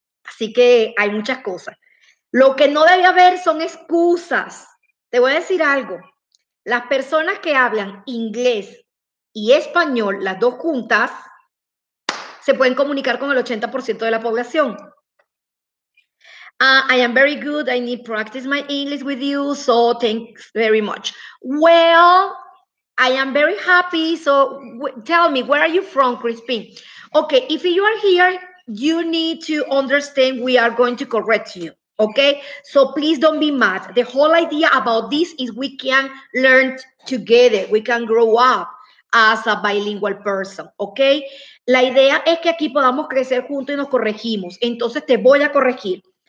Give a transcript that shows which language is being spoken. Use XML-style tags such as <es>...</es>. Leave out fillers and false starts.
<es>Así que hay muchas cosas. Lo que no debe haber son excusas. Te voy a decir algo. Las personas que hablan inglés y español, las dos juntas, se pueden comunicar con el 80% de la población.</es> <en>I am very good. I need practice my English with you. So thanks very much. Well, I am very happy. So tell me, where are you from, Crispin? Okay, if you are here, you need to understand we are going to correct you. Okay, so please don't be mad. The whole idea about this is we can learn together. We can grow up as a bilingual person.</en> <es>Okay, la idea es que aquí podamos crecer juntos y nos corregimos. Entonces te voy a corregir.</es>